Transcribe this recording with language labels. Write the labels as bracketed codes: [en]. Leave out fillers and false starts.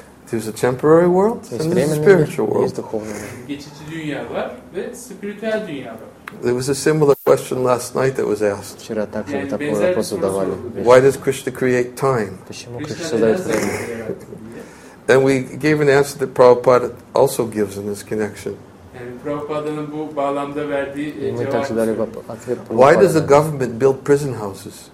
[en] There's a temporary world and there's a spiritual world. [ru] Есть духовный мир. [tr] Geçici dünya var ve spiritüel dünya var. [en] There was a similar question last night that was asked. [ru] Вчера также такой вопрос задавали. [en] Why does Krishna create time? [ru] Почему Кришна создает время? [en] And we gave an answer that Prabhupada also gives in this connection. [tr] Prabhupada'nın bu bağlamda verdiği cevap. [ru] Мы также дали ответ. [en] Why does the government build prison houses?